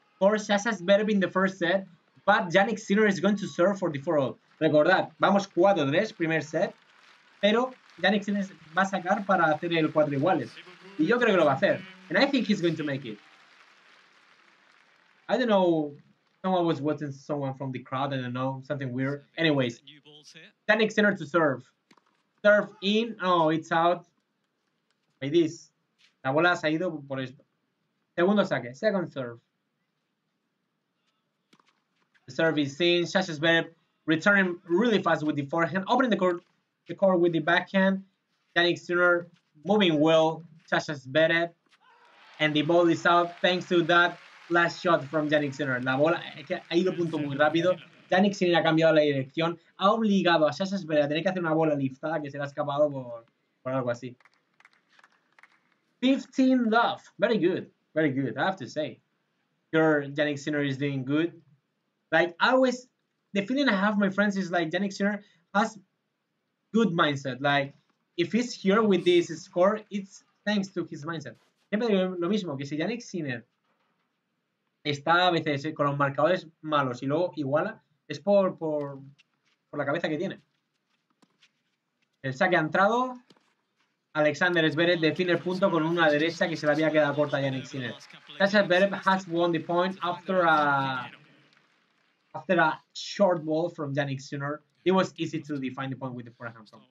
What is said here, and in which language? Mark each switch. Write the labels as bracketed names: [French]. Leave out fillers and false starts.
[English] For Sasha Zverev in the first set, but Jannik Sinner is going to serve for the 4-0. [Spanish] Recordad, vamos 4-3, primer set, pero Jannik Sinner va a sacar para hacer el 4 iguales. Y yo creo que lo va a hacer. [English] And I think he's going to make it. I don't know, someone was watching someone from the crowd, I don't know, something weird. Anyways, Jannik Sinner to serve. Serve in, oh, it's out. Like this. [Spanish] La bola se ha ido por esto. Segundo saque, [English] second serve. The serve is in, Sasha Zverev returning really fast with the forehand, opening the court with the backhand. Jannik Sinner moving well, Sasha Zverev, and the ball is out thanks to that last shot from Jannik Sinner. [Spanish] La bola ha ido punto muy rápido. Jannik Sinner ha cambiado la dirección, ha obligado a Sasha Zverev a tener que hacer una bola liftada que se le ha escapado por algo así. [English] 15 love, very good, I have to say. Your Jannik Sinner is doing good. Like, I always, the feeling I have, my friends, is like Jannik Sinner has good mindset. Like, if he's here with this score, it's thanks to his mindset. [Spanish] Siempre digo lo mismo, que si Jannik Sinner está a veces con los marcadores malos y luego iguala, es por la cabeza que tiene. El saque ha entrado. Alexander Zverev define el punto con una derecha que se le había quedado corta a Jannik Sinner. [English] Sasha Zverev has won the point after a... After a short ball from Jannik Sinner, it was easy to define the point with the forehand.